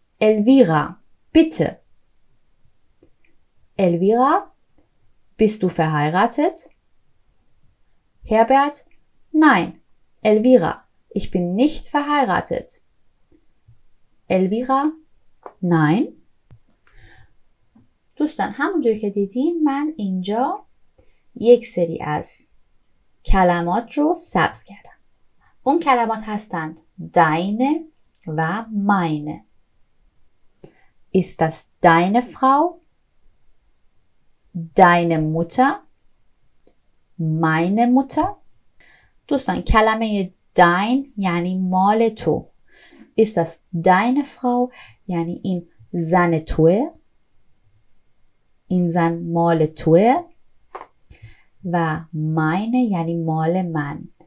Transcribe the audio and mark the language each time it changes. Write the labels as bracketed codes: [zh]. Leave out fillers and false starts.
[de] Elvira, bitte. Elvira? Bist du verheiratet? Herbert? Nein. Elvira, ich bin nicht verheiratet. Elvira, nein. [fa] دوستان همونجوری که دیدین من اینجا یک سری از کلمات رو سبز کردم. اون کلمات هستند deine و meine. [de] Ist das deine Frau? deine Mutter, meine Mutter. [fa] دوستان کلمه dein یعنی مال تو. [de] Ist das deine Frau [fa] یعنی این زن توه. این زن مال توه. و meine یعنی مال من.